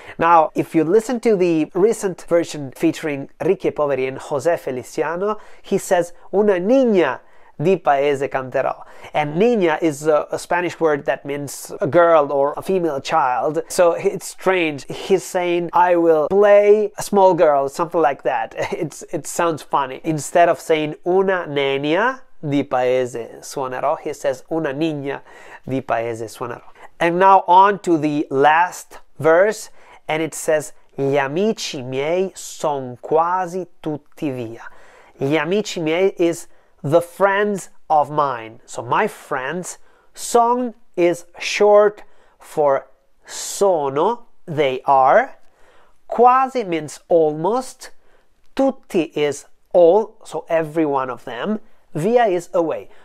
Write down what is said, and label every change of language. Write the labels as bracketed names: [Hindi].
[English] Now, if you listen to the recent version featuring Ricchi e Poveri and Jose Feliciano, he says, [Italian] una niña di paese canterò. [English] And niña is a Spanish word that means a girl or a female child. So, it's strange. He's saying, I will play a small girl, something like that. It sounds funny. Instead of saying, [Italian] una niña di paese suonerò, [English] he says [Italian] una niña di paese suonerò. [English] And now on to the last verse, and it says [Italian] Gli amici miei son quasi tutti via. Gli amici miei [English] is the friends of mine. So my friends, [Italian] son [English] is short for [Italian] sono, [English] they are. [Italian] Quasi [English] means almost. [Italian] Tutti [English] is all, so every one of them. [Italian] Via [English] is away.